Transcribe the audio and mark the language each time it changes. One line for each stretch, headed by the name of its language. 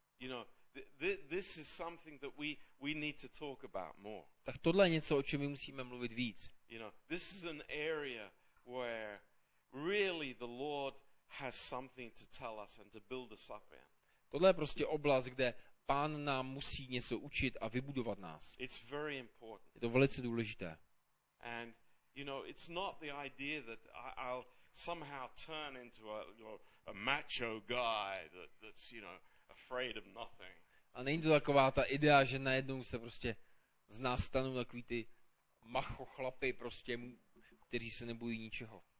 English: You know, this is something that we need to talk about more.
Czech: Tak tohle je něco, o čem my musíme mluvit víc.
English: You know, this is an area where really the Lord has something to tell us and to build us up in.
Czech: Tohle je prostě oblast, kde Pán nám musí něco učit a vybudovat nás.
English: It's very important.
Czech: Je to velice důležité.
English: And you know, it's not the idea that I'll somehow turn into a macho guy that's you know afraid of nothing.
Czech: A není to taková ta idea, že najednou se prostě z nás stanou takový ty macho chlapy prostě, kteří se nebojí ničeho.